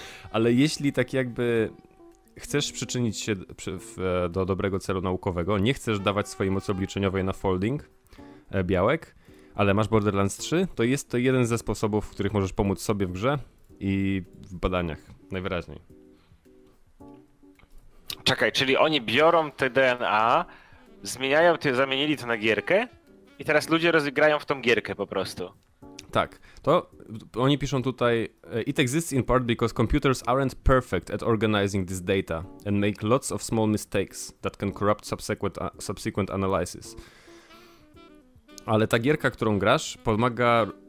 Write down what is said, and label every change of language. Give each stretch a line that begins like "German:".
Polish: Ale jeśli tak jakby chcesz przyczynić się do dobrego celu naukowego, nie chcesz dawać swojej mocy obliczeniowej na folding białek, ale masz Borderlands 3, to jest to jeden ze sposobów, w których możesz pomóc sobie w grze i w badaniach, najwyraźniej. Czekaj, czyli oni biorą te DNA, zamienili to na gierkę i teraz ludzie rozgrają w tą gierkę po prostu. Tak, to oni piszą tutaj:
English: It exists in part because computers aren't perfect at organizing this data and make lots of small mistakes that can corrupt subsequent analysis.
Polish: Ale ta gierka, którą grasz, pomaga...